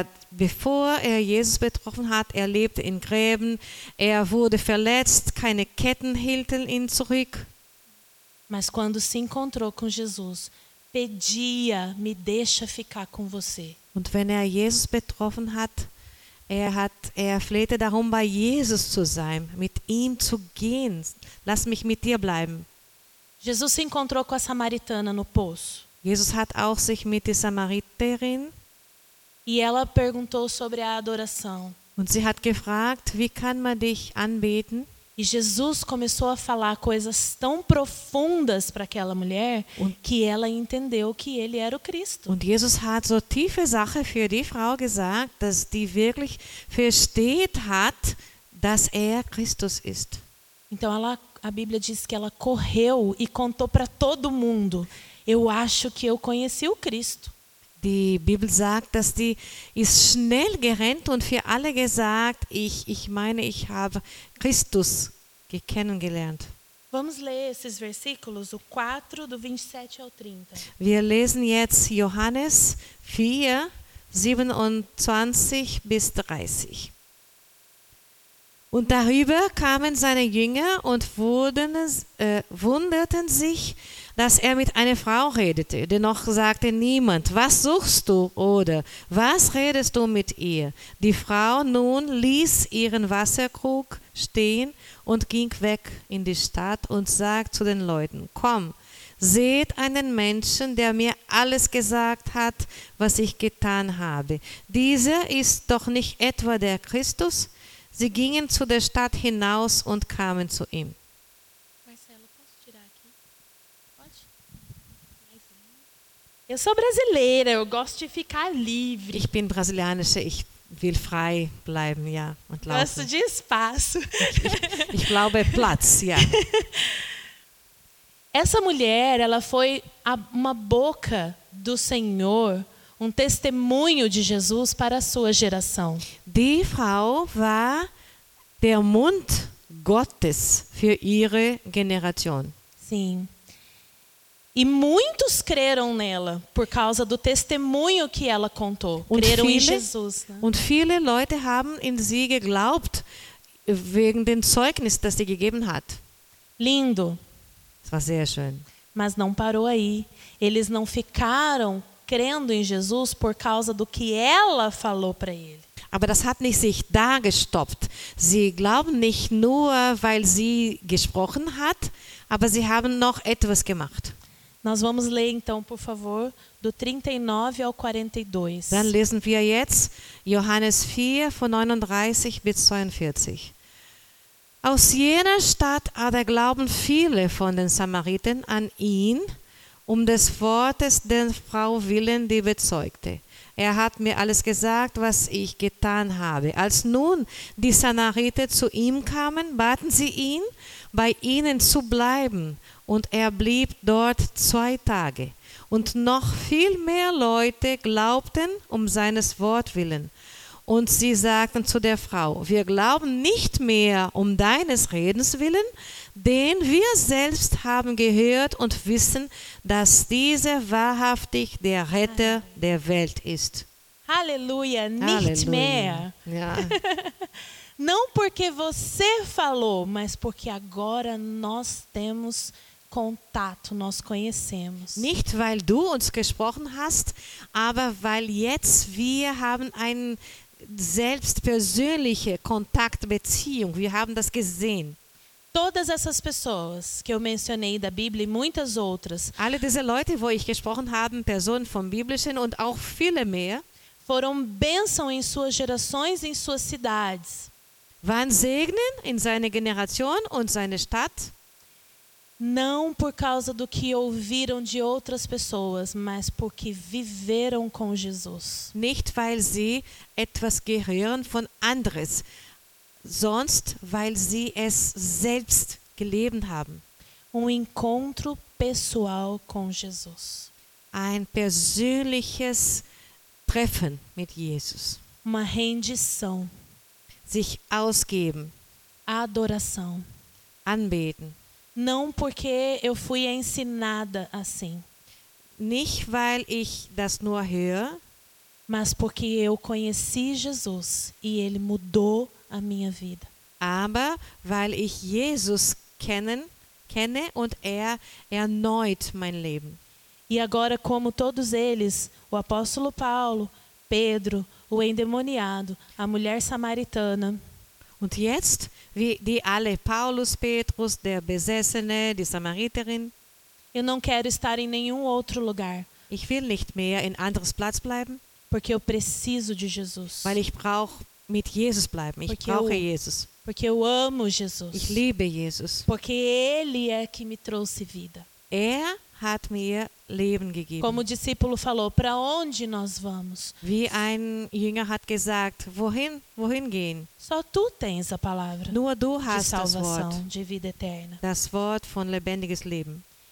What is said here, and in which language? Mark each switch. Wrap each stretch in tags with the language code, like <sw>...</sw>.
<de>Bevor er Jesus betroffen hat, er lebte in Gräben, er wurde verletzt, keine Ketten hielten ihn zurück.</de> <pt>Mas quando se encontrou com Jesus, pedia, me deixa ficar com você.</pt> <de>Und wenn er Jesus betroffen hat, er flehte darum, bei Jesus zu sein, mit ihm zu gehen. Lass mich mit dir bleiben.</de> <pt>Jesus se encontrou com a Samaritana no poço.</pt> <de>Jesus hat auch sich mit der Samariterin.</de> <pt>E ela perguntou sobre a adoração.</pt> <de>Und sie hat gefragt, wie kann man dich anbeten?</de> <pt>E Jesus começou a falar coisas tão profundas para aquela mulher que ela entendeu que ele era o Cristo.</pt> <de>Und Jesus hat so tiefe Sache für die Frau gesagt, dass die wirklich versteht hat, dass Christus ist.</de> <pt>Então a Bíblia diz que ela correu e contou para todo mundo. Eu acho que eu conheci o Cristo.</pt> <de>Die Bibel sagt, dass die ist schnell gerannt und für alle gesagt, ich meine, ich habe Christus kennengelernt.</de> <pt>Vamos ler esses versículos, o 4 do 27 ao 30.</pt> <de>Wir lesen jetzt Johannes 4, 27 bis 30. Und darüber kamen seine Jünger und wunderten sich, dass er mit einer Frau redete. Dennoch sagte niemand, was suchst du oder was redest du mit ihr? Die Frau nun ließ ihren Wasserkrug stehen und ging weg in die Stadt und sagte zu den Leuten, komm, seht einen Menschen, der mir alles gesagt hat, was ich getan habe. Dieser ist doch nicht etwa der Christus? Sie gingen zu der Stadt hinaus und kamen zu ihm.</de> <pt>Marcelo, posso tirar aqui? Pode? Mais um. Eu sou brasileira, eu gosto de ficar livre.</pt> <de>Ich bin brasilianische, ich will frei bleiben, ja, und laufen.</de> <pt>Gosto de espaço.</pt> <de>Ich glaube Platz, ja.</de> <pt>Essa mulher, ela foi uma boca do Senhor. Um testemunho de Jesus para a sua geração.</pt> <de>Die Frau war der Mund Gottes für ihre Generation.</de> <pt>Sim. E muitos creram nela por causa do testemunho que ela contou.</pt> <de>Und</de> <pt>creram</pt> <de>viele,</de> <pt>em Jesus.</pt> <de>Und viele Leute haben in sie geglaubt wegen dem Zeugnis, das sie gegeben hat.</de> <pt>Lindo.</pt> <de>Es war sehr schön.</de> <pt>Mas não parou aí. Eles não ficaram crendo em Jesus por causa do que ela falou para ele.</pt> <de>Aber das hat nicht sich da gestoppt. Sie glauben nicht nur, weil sie gesprochen hat, aber sie haben noch etwas gemacht.</de> <pt>Nós vamos ler então, por favor, do 39 ao 42.</pt> <de>Dann lesen wir jetzt Johannes 4 von 39 bis 42. Aus jener Stadt aber glauben viele von den Samaritern an ihn, um des Wortes der Frau willen, die bezeugte. Er hat mir alles gesagt, was ich getan habe. Als nun die Samariter zu ihm kamen, baten sie ihn, bei ihnen zu bleiben. Und er blieb dort 2 Tage. Und noch viel mehr Leute glaubten um seines Wort willen. Und sie sagten zu der Frau, wir glauben nicht mehr um deines Redens willen, denn wir selbst haben gehört und wissen, dass dieser wahrhaftig der Retter der Welt ist. Halleluja, nicht mehr. Ja.</de> <pt>Não porque você falou, mas porque agora nós temos contato, nós conhecemos.</pt> <de>Nicht weil du uns gesprochen hast, aber weil jetzt wir haben einen selbst persönliche Kontaktbeziehung. Wir haben das gesehen.</de> <pt>Todas essas pessoas que eu mencionei da Bíblia e muitas outras.</pt> <de>Alle diese Leute, wo ich gesprochen habe, Personen vom Biblischen und auch viele mehr.</de> <pt>Foram bênção em suas gerações, em suas cidades.</pt> <de>Waren Segen in seine Generation und seine Stadt.</de> <pt>Não por causa do que ouviram de outras pessoas, mas porque viveram com Jesus.</pt> <de>Nicht weil sie etwas gehören von anderes, sonst weil sie es selbst gelebt haben.</de> <pt>Um encontro pessoal com Jesus.</pt> <de>Ein persönliches Treffen mit Jesus.</de> <pt>Uma rendição.</pt> <de>Sich ausgeben.</de> <pt>Adoração.</pt> <de>Anbeten.</de> <pt>Não porque eu fui ensinada assim.</pt> <de>Nicht weil ich das nur höre,</de> <pt>mas porque eu conheci Jesus e ele mudou a minha vida.</pt> <de>Aber weil ich Jesus kenne und erneut mein Leben.</de> <pt>E agora, como todos eles, o apóstolo Paulo, Pedro, o endemoniado, a mulher samaritana.</pt> <de>Und jetzt, wie die alle, Paulus, Petrus, der Besessene, die Samariterin.</de> <pt>Eu não quero estar em nenhum outro lugar.</pt> <de>Ich will nicht mehr in anderes Platz bleiben.</de> <pt>Porque eu preciso de Jesus.</pt> <de>Weil ich brauche mit Jesus bleiben. Ich brauche Jesus.</de> <pt>Porque eu amo Jesus.</pt> <de>Ich liebe Jesus.</de> <pt>Porque ele é que me trouxe vida.</pt> <de>Er hat mir Leben gegeben.</de> <pt>Como o discípulo falou, para onde nós vamos?</pt> <de>Wie ein Jünger hat gesagt, wohin gehen?</de> <pt>Só tu tens a palavra.</pt> <de>Nur du hast</de> <pt>de salvação,</pt> <de>das Wort,</de> <pt>de vida eterna.</pt> <de>Das Wort von lebendiges Leben.</de>